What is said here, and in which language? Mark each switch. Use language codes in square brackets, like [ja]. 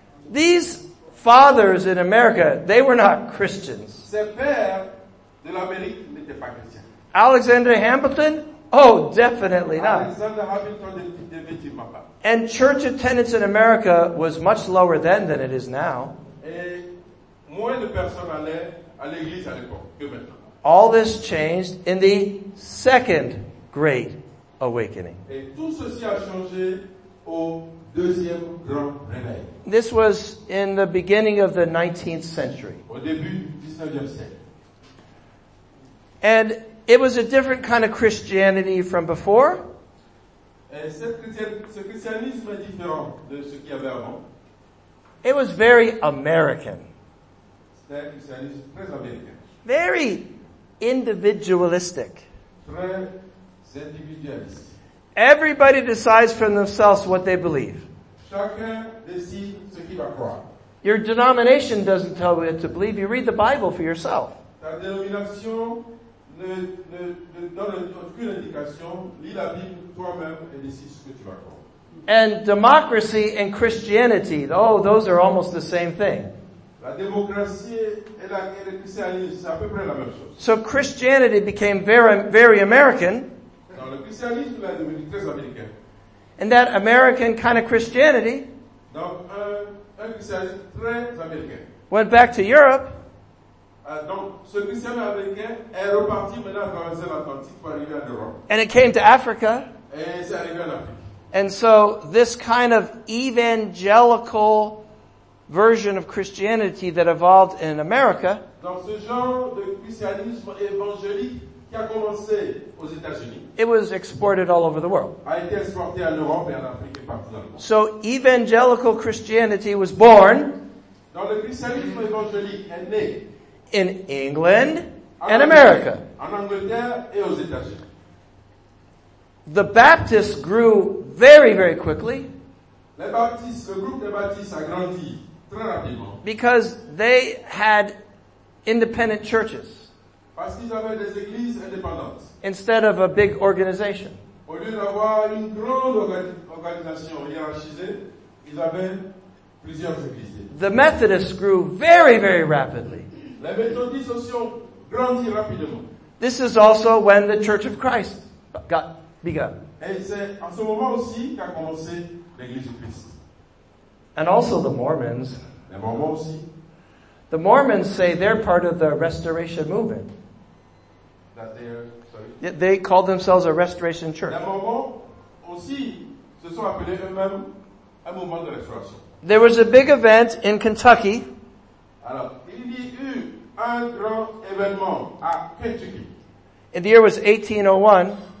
[en] These fathers in America, they were not Christians. [fr] Ces pères de l'Amérique n'était pas chrétien. [en] Alexander Hamilton? Oh, definitely not. [fr] Alexander Hamilton n'était pas. [en] And church attendance in America was much lower then than it is now. [fr] Et moins de personnes allaient à l'église à l'époque que maintenant. [en] All this changed in the Second Great Awakening. [fr] Et tout ceci a changé au deuxième grand réveil. [en] This was in the beginning of the 19th century. [fr] Au début du 19e siècle. [en] And it was a different kind of Christianity from before. [fr] Et ce christianisme est différent de ce qu'il y avait avant. [en] It was very American. [fr] C'était un christianisme très américain. [en] Very individualistic. [fr] Très individualiste. [en] Everybody decides for themselves what they believe. [fr] Chacun décide ce qu'il va croire. [en] Your denomination doesn't tell you what to believe. You read the Bible for yourself. [fr] Ta dénomination ne donne aucune indication. Lis la Bible toi-même et décide ce que tu vas croire. [en] And democracy and Christianity, oh, those are almost the same thing. [fr] La démocratie et le christianisme, c'est à peu près la même chose. [en] So Christianity became very, very American. [fr] Non, le christianisme est devenu très américain. [en] And that American kind of Christianity, [fr] donc, un christianisme très américain, [en] went back to Europe. [fr] Donc, ce christianisme américain est reparti maintenant à traverser l'Atlantique pour arriver en Europe. [en] And it came to Africa. [fr] Et c'est arrivé en Afrique. [en] And so this kind of evangelical version of Christianity that evolved in America, [fr] dans ce genre de christianisme évangélique qui a commencé aux États-Unis, [en] it was exported all over the world. [fr] A été exporté en Europe et en Afrique et partout dans le monde. [en] So evangelical Christianity was born, [fr] dans le christianisme évangélique est né, [en] in England and America. [fr] En Angleterre et aux États-Unis. [en] The Baptists grew very, very quickly. [fr] Les Baptistes, le groupe des Baptistes a grandi très rapidement. [en] Because they had independent churches. [fr] Parce qu'ils avaient des églises indépendantes. [en] Instead of a big organization. [fr] Au lieu d'avoir une grande organisation hiérarchisée, ils avaient plusieurs églises. [en] The Methodists grew very, very rapidly. [fr] Les Méthodistes aussi ont grandi rapidement. [en] This is also when the Church of Christ got bigger. [fr] Et c'est en ce moment aussi qu'a commencé l'Église du Christ. [en] And also the Mormons. [fr] Les Mormons aussi. [en] The Mormons say they're part of the Restoration Movement. That they are, sorry. They call themselves a Restoration Church. [fr] Les Mormons aussi se sont appelés eux-mêmes un mouvement de restauration. [en] There was a big event in Kentucky. [fr] Alors, il y a eu un grand événement à Kentucky. [en] And the year was 1801.